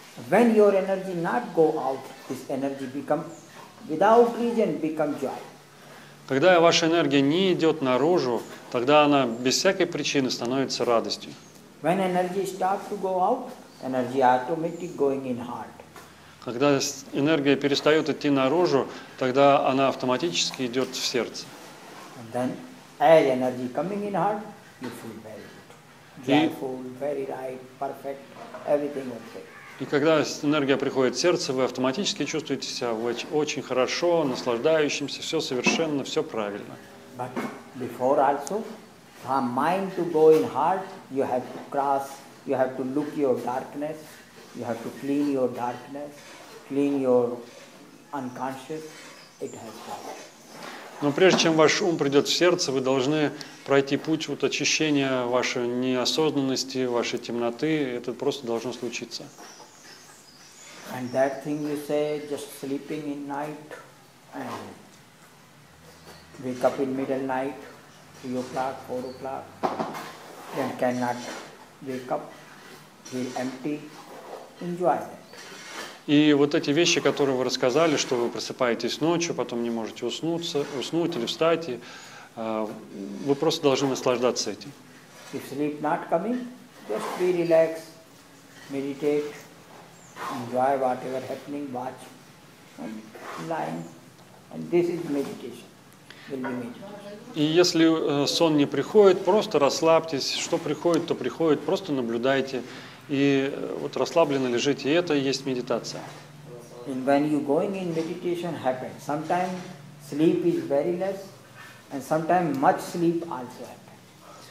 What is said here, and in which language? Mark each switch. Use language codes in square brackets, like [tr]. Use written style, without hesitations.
[en] When your energy not go out, this energy become without reason become joy. [ru] Когда ваша энергия не идет наружу, тогда она без всякой причины становится радостью. [en] When energy starts to go out, energy automatic going in heart. [ru] Когда энергия перестает идти наружу, тогда она автоматически идет в сердце. [en] And then, as energy coming in heart, you feel very good, joyful, very right, perfect, everything okay. [ru] И когда энергия приходит в сердце, вы автоматически чувствуете себя очень хорошо, наслаждающимся, все совершенно, все правильно. [en] But before also, from mind to go in heart, you have to cross, you have to look your darkness, you have to clean your unconscious, it has to happen. [ru] Но прежде чем ваш ум придет в сердце, вы должны пройти путь вот очищения вашей неосознанности, вашей темноты, это просто должно случиться. [en] And that thing you say, just sleeping in night and wake up in middle night, 3 o'clock, 4 o'clock, then cannot wake up, feel empty, enjoy that. [ru] И вот эти вещи, которые вы рассказали, что вы просыпаетесь ночью, потом не можете уснуть или встать, вы просто должны наслаждаться этим. [en] If sleep not coming, just be relaxed, meditate. Enjoy whatever happening, watch, and lying, and this is meditation. Will be meditation. [ru] И если сон не приходит, просто расслабьтесь. Что приходит, то приходит. Просто наблюдайте и вот расслабленно лежите. И это и есть медитация. [en] And when you going in meditation happens. Sometimes sleep is very less, and sometimes much sleep also happens.